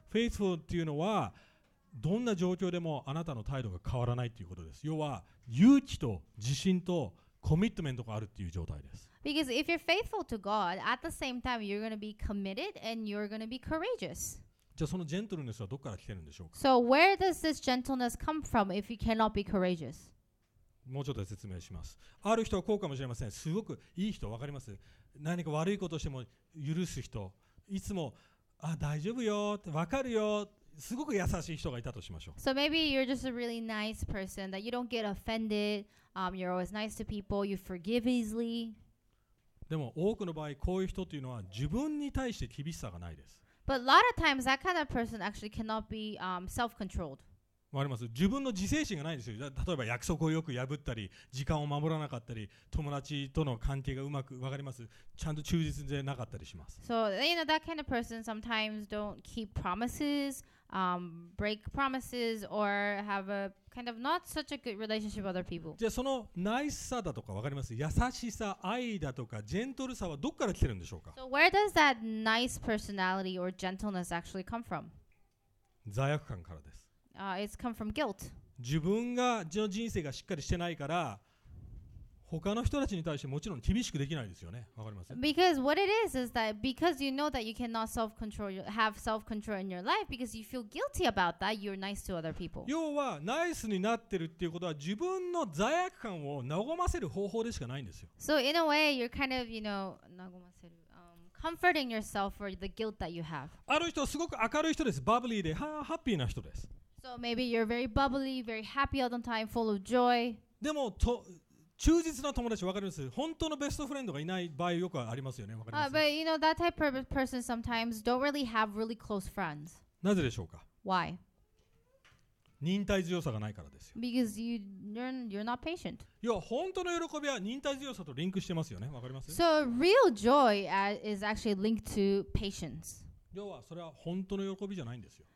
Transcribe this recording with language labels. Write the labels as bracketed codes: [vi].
[ja] Faithful っていうのはどんな状況でもあなたの態度が変わらないっていうことです。要は勇気と自信とコミットメントがあるっていう状態です。 [en] Because if you're faithful to God, at the same time you're going to be committed and you're going to be courageous. [ja] じゃあそのジェントルネスはどこから来てるんでしょうか。 [en] So where does this gentleness come from if you cannot be courageous? [ja] もうちょっと説明します。ある人はこうかもしれません。すごくいい人、わかります？何か悪いことをしても許す人、いつもあ大丈夫よってわかるよ、すごく優しい人がいたとしましょう。 [en] So maybe you're just a really nice person that you don't get offended、you're always nice to people, you forgive easily. [ja] でも多くの場合こういう人というのは自分に対して厳しさがないです。 [en] But a lot of times that kind of person actually cannot be、self-controlled [ja] わかります？自分の自制心がないんですよ。例えば約束をよく破ったり、時間を守らなかったり、友達との関係がうまく、わかります？ちゃんと忠実でなかったりします。 [en] So, you know, that kind of person sometimes don't keep promises, break promises, or have a kind of not such a good relationship with other people. [ja] じゃあそのナイスさだとか、わかります？優しさ、愛だとか、ジェントルさはどこから来てるんでしょうか？ [en] So where does that nice personality or gentleness actually come from? [ja] 罪悪感からです。 [en] It's come from guilt. [ja] 自分が自分の人生がしっかりしてないから他の人たちに対してもちろん厳しくできないですよね。わかります？ [en] Because what it is that because you know that you cannot self-control, have self-control in your life because you feel guilty about that, you're nice to other people. [ja] 要はナイスになってるっていうことは自分の罪悪感を和ませる方法でしかないんですよ。 [en] So in a way, you're kind of, you know, [ja] 和ませる。 [en] Comforting yourself for the guilt that you have. [ja] ある人はすごく明るい人です。バブリーでハッピーな人です。 [en] So maybe you're very bubbly, very happy all the time, full of joy. [ja] でも忠実な友達分かります。本当のベストフレンドがいない場合よくありますよね。分かります。 [en] But you know that type of person sometimes don't really have really close friends. [ja] なぜでしょうか。 [en] Why? [ja] 忍耐強さがないからですよ。 [en] Because you're not patient. [ja] 要は本当の喜びは忍耐強さとリンクしてますよね。分かります。 [en] So real joy is actually linked to patience. [ja] 要はそれは本当の喜びじゃないんですよ。